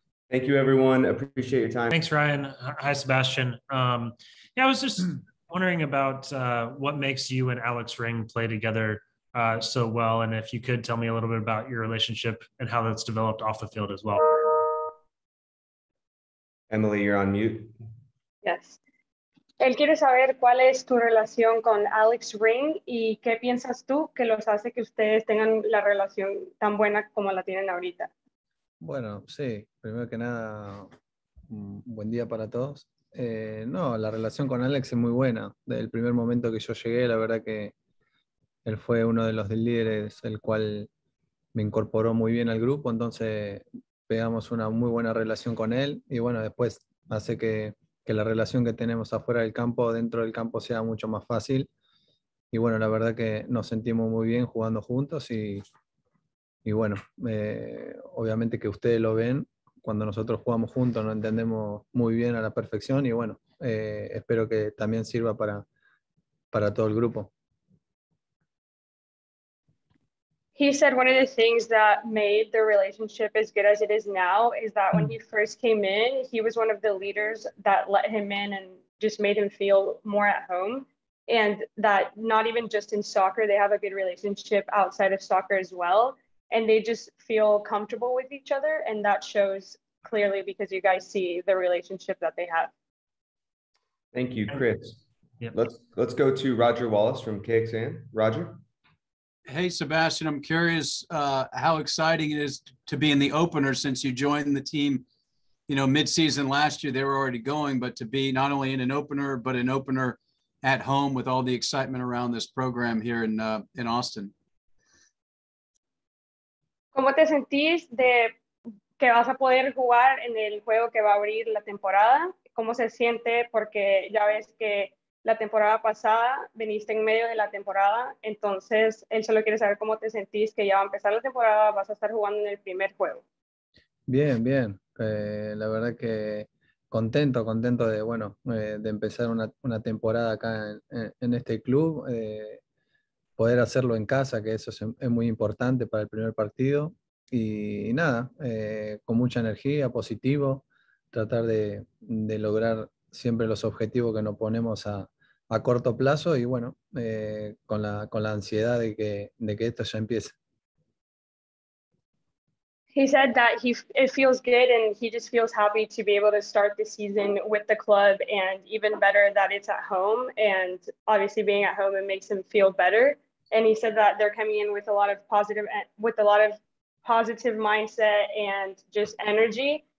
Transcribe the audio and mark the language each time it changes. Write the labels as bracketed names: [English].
[English] Thank you, everyone. Appreciate your time. Thanks, Ryan. Hi, Sebastian. I was just wondering about what makes you and Alex Ring play together so well, and if you could tell me a little bit about your relationship and how that's developed off the field as well. Emily, you're on mute. Yes. [Spanish] Él quiere saber cuál es tu relación con Alex Ring y qué piensas tú que los hace que ustedes tengan la relación tan buena como la tienen ahorita. Bueno, sí, primero que nada, buen día para todos. No, la relación con Alex es muy buena. Desde el primer momento que yo llegué, la verdad que él fue uno de los líderes, el cual me incorporó muy bien al grupo, entonces pegamos una muy buena relación con él y bueno, después hace que la relación que tenemos afuera del campo, dentro del campo, sea mucho más fácil. Y bueno, la verdad que nos sentimos muy bien jugando juntos y bueno, obviamente que ustedes lo ven, cuando nosotros jugamos juntos nos entendemos muy bien a la perfección y bueno, espero que también sirva para todo el grupo. [English] He said one of the things that made the relationship as good as it is now is that when he first came in, he was one of the leaders that let him in and just made him feel more at home. And that not even just in soccer, they have a good relationship outside of soccer as well. And they just feel comfortable with each other. And that shows clearly because you guys see the relationship that they have. Thank you, Chris. Yep. Let's go to Roger Wallace from KXAN. Roger. Hey, Sebastian, I'm curious how exciting it is to be in the opener since you joined the team, you know, midseason last year, they were already going, but to be not only in an opener, but an opener at home with all the excitement around this program here in Austin. [Spanish] ¿Cómo te sentís de que vas a poder jugar en el juego que va a abrir la temporada? ¿Cómo se siente? Porque ya ves que la temporada pasada, viniste en medio de la temporada, entonces él solo quiere saber cómo te sentís, que ya va a empezar la temporada, vas a estar jugando en el primer juego. Bien, bien. La verdad que contento de, bueno, de empezar una temporada acá en este club, poder hacerlo en casa, que eso es muy importante para el primer partido, y nada, con mucha energía, positivo, tratar de lograr siempre los objetivos que nos ponemos a corto plazo y bueno, con la ansiedad de que esto ya empiece. [English] He said that it feels good and he just feels happy to be able to start the season with the club and even better that it's at home and obviously being at home it makes him feel better and he said that they're coming in with a lot of positive mindset and just energy.